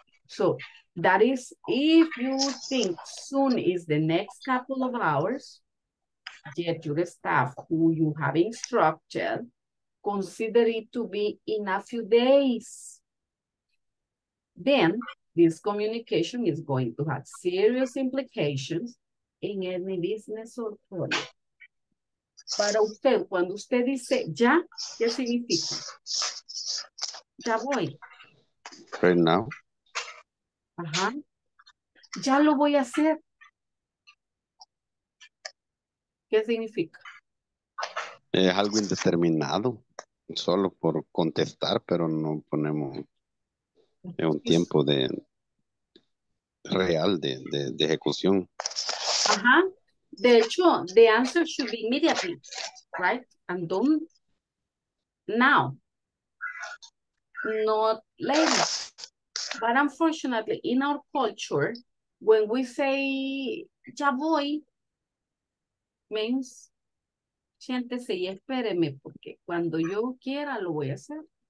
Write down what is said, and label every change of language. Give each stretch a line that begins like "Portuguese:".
English: So that is, if you think soon is the next couple of hours, yet your staff who you have instructed, consider it to be in a few days, then this communication is going to have serious implications in any business or project.
Spanish: Para usted, cuando usted dice ya, ¿qué significa? Ya voy.
English: Right now.
Spanish: Ajá. Ya lo voy a hacer. ¿Qué significa? Es algo indeterminado. Solo por contestar, pero no ponemos un tiempo de real de ejecución. Ajá. De hecho,
English: the answer should be immediately, right? And done now. Not later. But unfortunately, in our culture, when we say
Spanish: ya voy,
English: means
Spanish: siéntese y espéreme, porque cuando yo quiera lo voy a hacer.